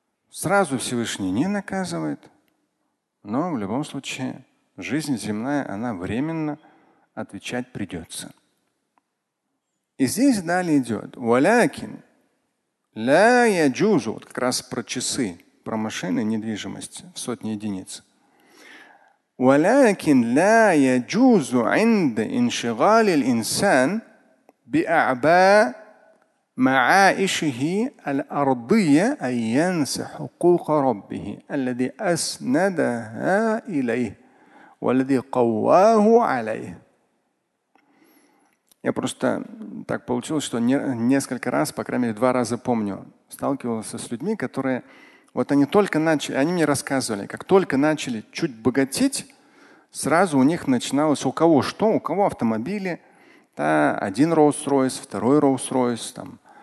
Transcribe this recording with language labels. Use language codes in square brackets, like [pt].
[ru] Сразу Всевышний не наказывает, но в любом случае жизнь земная, она временно отвечать придется. И здесь далее идет. [ar] Валякин, ля я джузу, [ru] вот как раз про часы, про машины, недвижимость в сотни единиц. [ar] ولكن لا يجوز عند انشغال الإنسان بأعباء معائشه الأرضية أن ينسى حقوق ربه الذي أسندها إليه والذي قواه عليه. [ru] Я просто так получилось, что несколько раз, по крайней мере, 2 раза помню, сталкивался с людьми, которые вот они только начали, они мне рассказывали, как только начали чуть богатеть, сразу у них начиналось, у кого что, у кого автомобили, да, один Rolls-Royce, второй Rolls-Royce, там.